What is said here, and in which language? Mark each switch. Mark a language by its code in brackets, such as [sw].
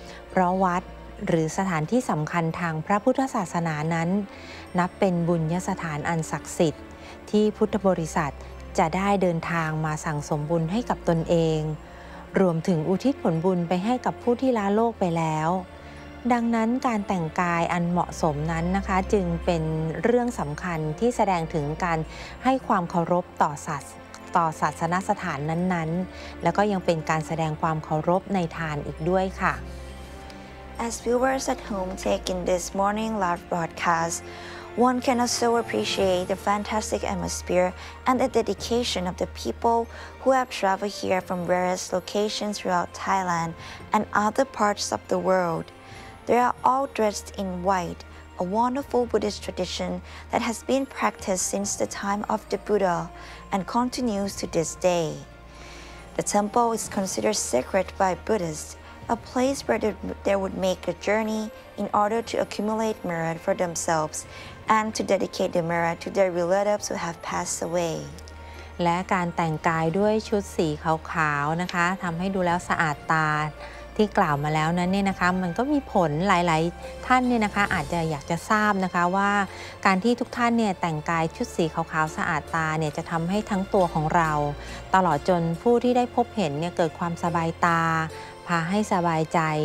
[th] เพราะวัดหรือสถานที่สำคัญทางพระพุทธศาสนานั้นนับเป็นบุญยสถานอันศักดิ์สิทธิ์ที่พุทธบริษัทจะได้เดินทางมาสั่งสมบุญให้กับตนเองรวมถึงอุทิศผลบุญไปให้กับผู้ที่ละโลกไปแล้วดังนั้นการแต่งกายอันเหมาะสมนั้นนะคะจึงเป็นเรื่องสำคัญที่แสดงถึงการให้ความเคารพต่อศาสนสถานนั้นๆแล้วก็ยังเป็นการแสดงความเคารพในทานอีกด้วยค่ะ [en] As viewers at home take in this morning live broadcast one can also appreciate the fantastic atmosphere and the dedication of the people who have traveled here from various locations throughout Thailand and other parts of the world They are all dressed in white, a wonderful Buddhist tradition that has been practiced since the time of the Buddha and continues to this day. The temple is considered sacred by Buddhists, a place where they would make a journey in order to accumulate merit for themselves and to dedicate the merit to their relatives who have passed away. [th] และการแต่งกายด้วยชุดสีขาวๆนะคะทำให้ดูแล้วสะอาดตาที่กล่าวมาแล้วนั้นเนี่ยนะคะมันก็มีผลหลายๆท่านเนี่ยนะคะอาจจะอยากจะทราบนะคะว่าการที่ทุกท่านเนี่ยแต่งกายชุดสีขาวๆสะอาดตาเนี่ยจะทำให้ทั้งตัวของเราตลอดจนผู้ที่ได้พบเห็นเนี่ยเกิดความสบายตาพาให้สบายใจ